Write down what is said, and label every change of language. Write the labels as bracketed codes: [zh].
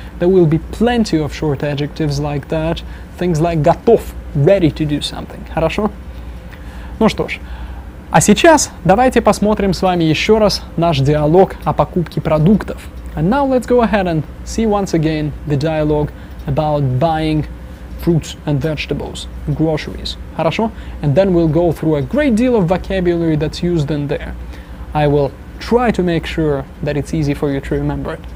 [en] There will be plenty of short adjectives like that. Things like готов, ready to do something. [ru] Хорошо? Ну что ж, а сейчас давайте посмотрим с вами еще раз наш диалог о покупке продуктов. [en] And now let's go ahead and see once again the dialogue about buying fruits and vegetables, groceries. [ru] Хорошо? [en] And then we'll go through a great deal of vocabulary that's used in there. I will try to make sure that it's easy for you to remember it.